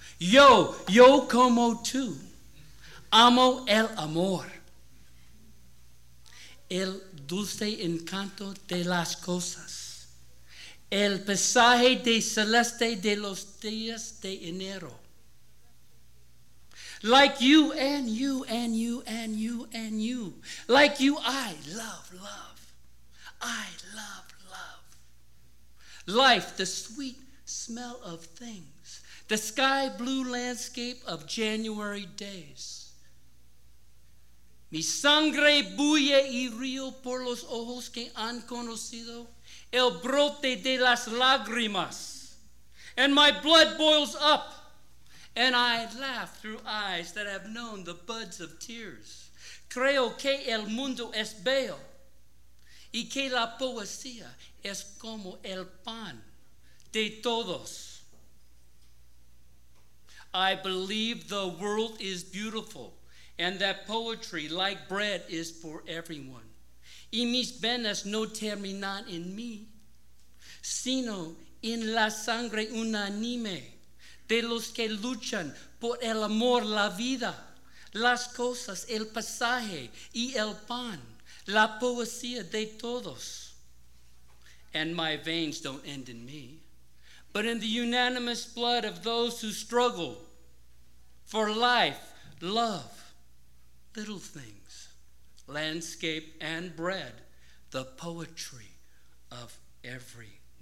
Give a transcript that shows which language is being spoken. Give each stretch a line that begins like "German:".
Spanish: Yo, yo como tú, amo el amor, el dulce encanto de las cosas. El paisaje de celeste de los días de enero.
English: Like you and you and you and you and you. Like you, I love love. I love love. Life, the sweet smell of things. The sky blue landscape of January days.
Spanish: Mi sangre bulle y río por los ojos que han conocido. El brote de las lágrimas.
English: And my blood boils up. And I laugh through eyes that have known the buds of tears.
Spanish: Creo que el mundo es bello. Y que la poesía es como el pan de todos.
English: I believe the world is beautiful. And that poetry, like bread, is for everyone.
Spanish: Y mis venas no terminan en mí. Sino en la sangre unánime de los que luchan por el amor, la vida, las cosas, el pasaje y el pan, la poesía de todos.
English: And my veins don't end in me, but in the unanimous blood of those who struggle for life, love, little things, landscape and bread, the poetry of every.